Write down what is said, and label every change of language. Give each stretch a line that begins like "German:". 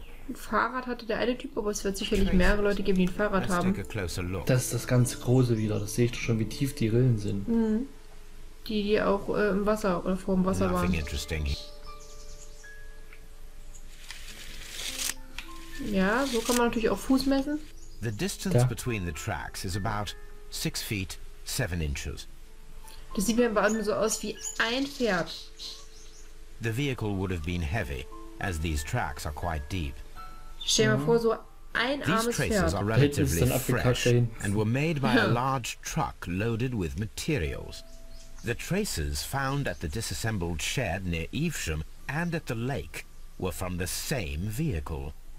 German: Ein Fahrrad hatte der eine Typ, aber es wird sicherlich mehrere Leute geben, die ein Fahrrad haben. Das ist das ganz große wieder. Das sehe ich doch schon, wie tief die Rillen sind. Mhm. Die auch im Wasser oder vor dem Wasser waren. Ja, so kann man natürlich auch Fuß messen.
English: The distance between the tracks is about 6 feet 7 inches.
German: Das sieht mir aber nur so aus wie ein Pferd.
English: The vehicle would have been heavy, as these tracks are quite deep.
German: Stell dir mal vor, so ein armes Pferd. Das ist dann abgekackt.
English: And were made by a large truck loaded with materials. The traces found at the disassembled shed near Evesham and at the lake were from the same vehicle.